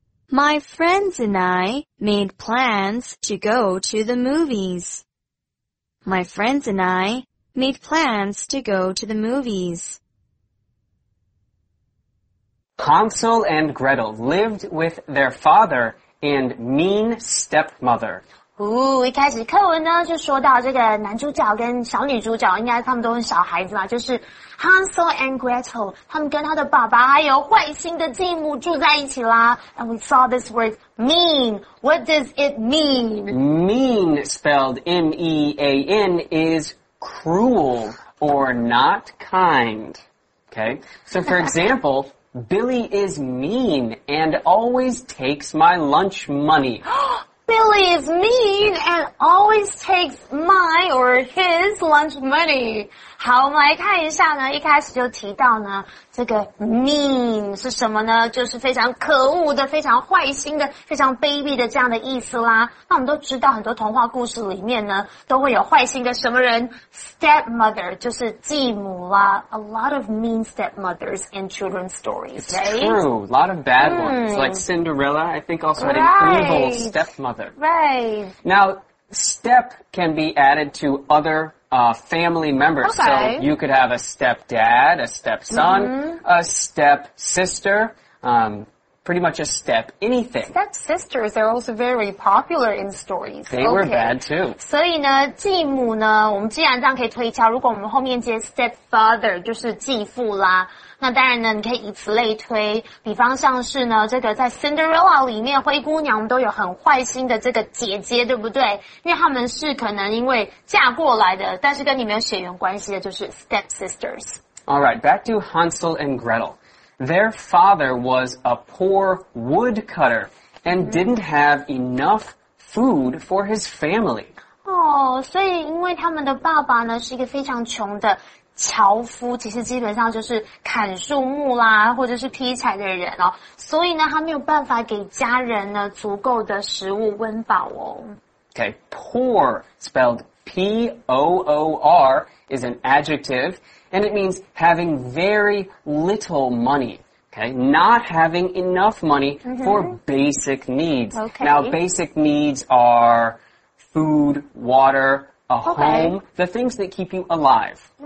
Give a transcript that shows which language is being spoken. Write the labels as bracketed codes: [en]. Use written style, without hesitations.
[en] My friends and I made plans to go to the movies. My friends and I made plans to go to the movies. Hansel and Gretel lived with their father and mean stepmother. [zh] 哦，一开始课文呢就说到这个男主角跟小女主角，应该他们都是小孩子嘛，就是 Hansel and Gretel， 他们跟他的爸爸还有坏心的继母住在一起啦。 [en] And we saw this word mean. What does it mean? Mean, spelled M-E-A-N, is cruel or not kind. Okay. So for example, Billy is mean and always takes my lunch money. Billy is mean and always takes my or his lunch money. [zh] 好，我们来看一下呢，一开始就提到呢，这个 mean 是什么呢？就是非常可恶的，非常坏心的，非常卑鄙的这样的意思啦。那我们都知道很多童话故事里面呢，都会有坏心的什么人？ Stepmother, 就是继母啦。 [en] A lot of mean stepmothers in children's stories, right? It's true, a lot of bad ones, like Cinderella, I think also had an evil stepmother. Right. Now, step can be added to otherfamily members. Okay. So you could have a stepdad, a stepson, a stepsister. pretty much a step anything. Stepsisters are also very popular in stories. They were bad too. [zh] 所以呢继母呢我们既然这样可以推敲如果我们后面接 stepfather, 就是继父啦。那当然呢你可以以此类推比方像是呢这个在 Cinderella 里面灰姑娘都有很坏心的这个姐姐对不对因为他们是可能因为嫁过来的但是跟你没有血缘关系的就是 stepsisters. [en] Alright, back to Hansel and Gretel. Their father was a poor woodcutter and didn't have enough food for his family. [zh] 所以因为他们的爸爸呢是一个非常穷的樵夫其实基本上就是砍树木啦或者是劈柴的人哦所以呢他没有办法给家人呢足够的食物温饱哦。 [en] Okay, poor, spelled P-O-O-R, is an adjective, and it means having very little money. Okay, not having enough money for basic needs. Okay. Now, basic needs are food, water,A home, the things that keep you alive.